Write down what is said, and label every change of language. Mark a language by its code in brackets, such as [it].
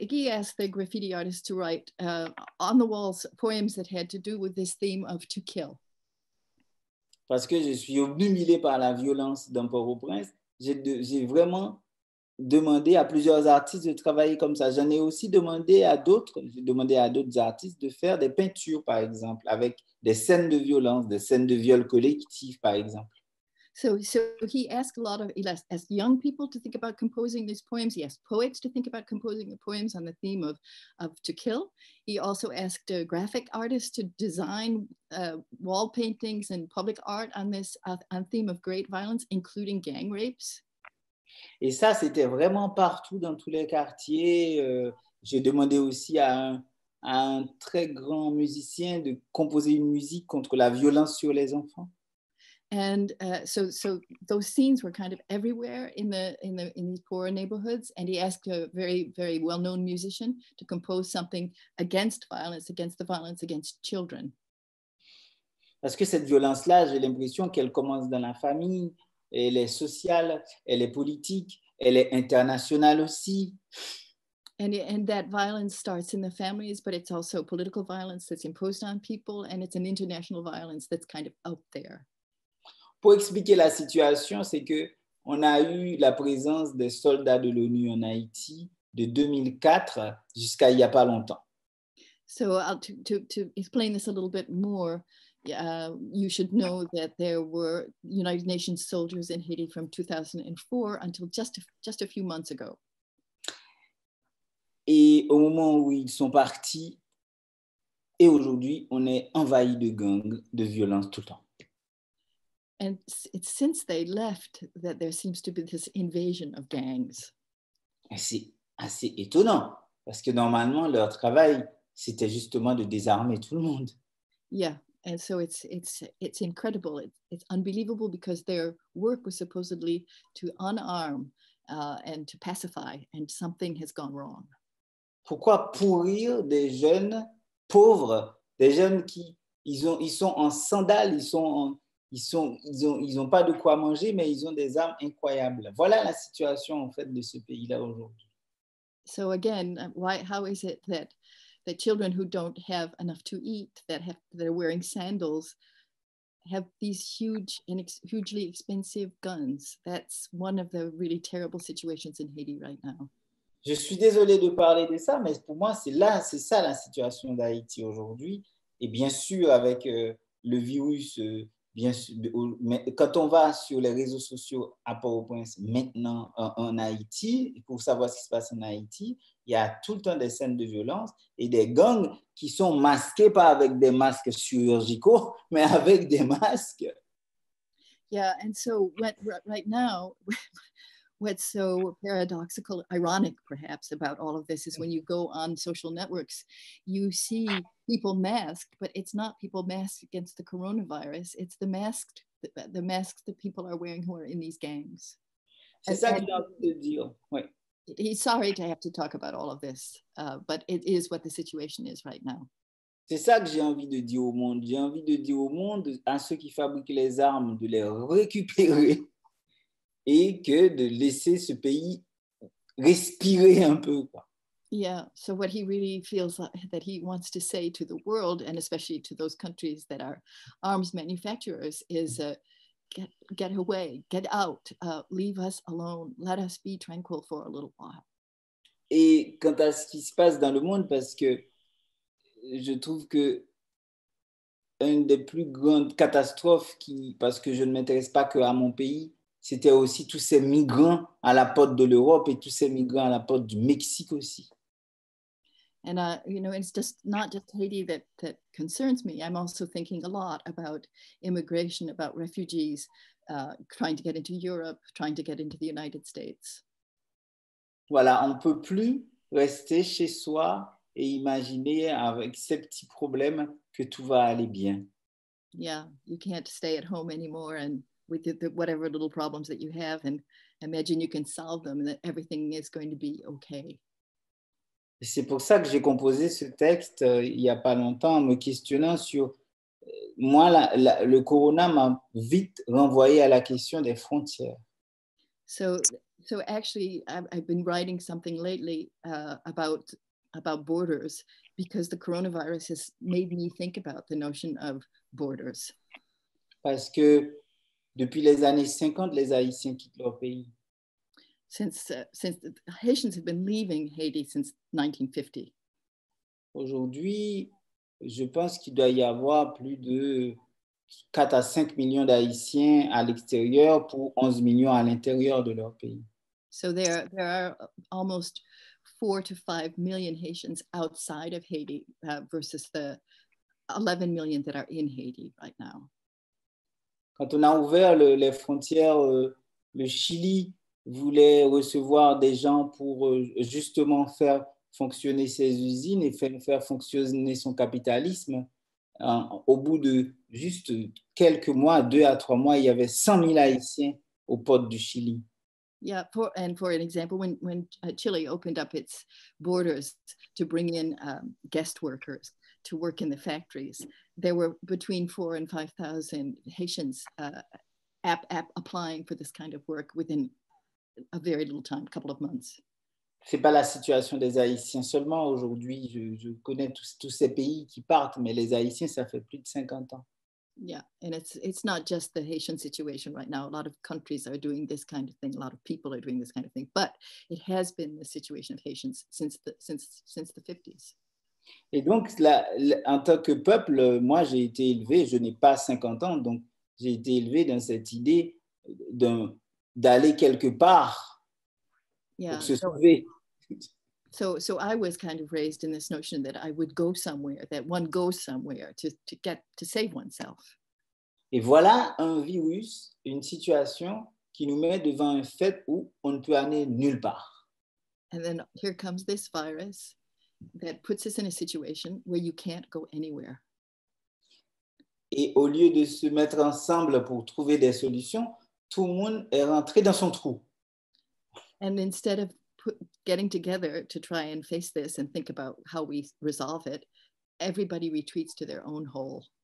[en] Guy asked the graffiti artist to write on the walls poems that had to do with this theme of to kill. [fr] Parce que je suis obnubilé par la violence dans Port-au-Prince. J'ai vraiment demandé à plusieurs artistes de travailler comme ça. J'en ai aussi demandé à d'autres, j'ai demandé à d'autres artistes de faire des peintures, par exemple, avec des scènes de violence, des scènes de viol collectif, par exemple. [en] So he asked a lot of, he asked young people to think about composing these poems. He asked poets to think about composing the poems on the theme of To Kill. He also asked a graphic artist to design wall paintings and public art on this on theme of great violence, including gang rapes. [fr] Et ça, c'était vraiment partout dans tous les quartiers. J'ai demandé aussi à un très grand musicien de composer une musique contre la violence sur les enfants. [en] And so those scenes were kind of everywhere in these poor neighborhoods. And he asked a very, very well-known musician to compose something against the violence against children. [fr] Parce que cette violence-là, j'ai l'impression qu'elle commence dans la famille. Elle est sociale, elle est politique, elle est internationale aussi. [en] And that violence starts in the families, but it's also political violence that's imposed on people, and it's an international violence that's kind of out there. [fr] Pour expliquer la situation, c'est que on a eu la présence des soldats de l'ONU en Haïti de 2004 jusqu'à il y a pas longtemps. [en] So to explain this a little bit more, you should know that there were United Nations soldiers in Haiti from 2004 until just a few months ago. [fr] Et au moment où ils sont partis, et aujourd'hui, on est envahi de gangs, de violence tout le temps. [en] And it's since they left that there seems to be this invasion of gangs. [fr] Et c'est assez étonnant, parce que normalement, leur travail, c'était justement de désarmer tout le monde. [en] Yeah. And so it's incredible. It's unbelievable because their work was supposedly to unarm and to pacify, and something has gone wrong. [fr] Pourquoi pourrir des jeunes pauvres, des jeunes qui ils sont en sandales, ils ont pas de quoi manger, mais ils ont des armes incroyables. Voilà la situation en fait de ce pays-là aujourd'hui. [en] So again, how is it that the children who don't have enough to eat, that are wearing sandals, have these huge and hugely expensive guns. That's one of the really terrible situations in Haiti right now. [fr] Je suis désolé de parler de ça, mais pour moi, c'est ça la situation d'Haïti aujourd'hui. Et bien sûr, avec le virus, bien sûr, mais quand on va sur les réseaux sociaux à Port-au-Prince maintenant en Haïti, pour savoir ce qui se passe en Haïti, il y a tout le temps des scènes de violence et des gangs qui sont masqués, pas avec des masques chirurgicaux, mais avec des masques. [en] Yeah, and so right now... What's so paradoxical, ironic perhaps, about all of this is when you go on social networks, you see people masked, but it's not people masked against the coronavirus, it's the masks that people are wearing who are in these gangs. [fr] C'est ça que j'ai envie de dire. Oui. [en] He's sorry to have to talk about all of this, but it is what the situation is right now. [fr] C'est ça que j'ai envie de dire au monde. J'ai envie de dire au monde, à ceux qui fabriquent les armes, de les récupérer. Et que de laisser ce pays respirer un peu. [en] Yeah, so what he really feels like, that he wants to say to the world, and especially to those countries that are arms manufacturers, is get away, get out, leave us alone, let us be tranquil for a little while. [fr] Et quant à ce qui se passe dans le monde, parce que je trouve que une des plus grandes catastrophes, parce que je ne m'intéresse pas que à mon pays, c'était aussi tous ces migrants à la porte de l'Europe et tous ces migrants à la porte du Mexique aussi. [en] And you know, it's just not just Haiti that concerns me. I'm also thinking a lot about immigration, about refugees trying to get into Europe, trying to get into the United States. [fr] Voilà, on peut plus rester chez soi et imaginer avec ces petits problèmes que tout va aller bien. [en] Yeah, you can't stay at home anymore and with the whatever little problems that you have and imagine you can solve them and that everything is going to be okay. [fr] C'est pour ça que j'ai composé ce texte il y a pas longtemps, me questionnant sur moi le corona m'a vite renvoyé à la question des frontières. [en] So actually I've been writing something lately about borders because the coronavirus has made me think about the notion of borders. [fr] Parce que depuis les années 50, les Haïtiens quittent leur pays. [en] Since the Haitians have been leaving Haiti since 1950. [fr] Aujourd'hui, je pense qu'il doit y avoir plus de 4 à 5 millions d'Haïtiens à l'extérieur pour 11 millions à l'intérieur de leur pays. [en] So there are almost 4 to 5 million Haitians outside of Haiti versus the 11 million that are in Haiti right now. [fr] Quand on a ouvert les frontières, le Chili voulait recevoir des gens pour justement faire fonctionner ses usines et faire fonctionner son capitalisme. Au bout de juste quelques mois, 2 à 3 mois, il y avait 100 000 Haïtiens aux portes du Chili. [en] Yeah, for an example, when Chile opened up its borders to bring in guest workers to work in the factories, there were between 4 and 5,000 Haitians applying for this kind of work within a very little time, a couple of months. [fr] C'est pas la situation des Haïtiens seulement aujourd'hui. Je connais tous ces pays qui partent, mais les Haïtiens, ça fait plus de 50 ans. [en] Yeah, and it's not just the Haitian situation right now. A lot of countries are doing this kind of thing. A lot of people are doing this kind of thing. But it has been the situation of Haitians since the 50s. [fr] Et donc, en tant que peuple, moi, j'ai été élevé, je n'ai pas 50 ans, donc j'ai été élevé dans cette idée d'aller quelque part pour se sauver. [en] So I was kind of raised in this notion that I would go somewhere, that one goes somewhere to save oneself. [fr] Et voilà un virus, une situation qui nous met devant un fait où on ne peut aller nulle part. [en] And then here comes this virus that puts us in a situation where you can't go anywhere. [fr] Et au lieu de se mettre ensemble pour trouver des solutions, tout le monde est rentré dans son trou. [en] And instead of getting together to try and face this and think about how we resolve it, everybody retreats to their own hole.